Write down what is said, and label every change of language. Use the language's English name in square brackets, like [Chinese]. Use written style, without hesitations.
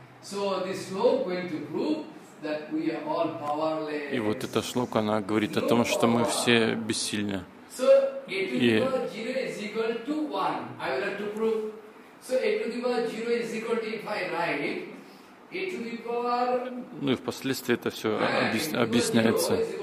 [English] So this shloka going to prove that we are all powerless. [Russian] И вот эта шлока, она говорит о том, что мы все бессильны. [English] So a to the power zero is equal to one. I would like to prove. So a to the power zero is equal to, if I write, a to the power... [Russian] Ну и впоследствии это все объясняется.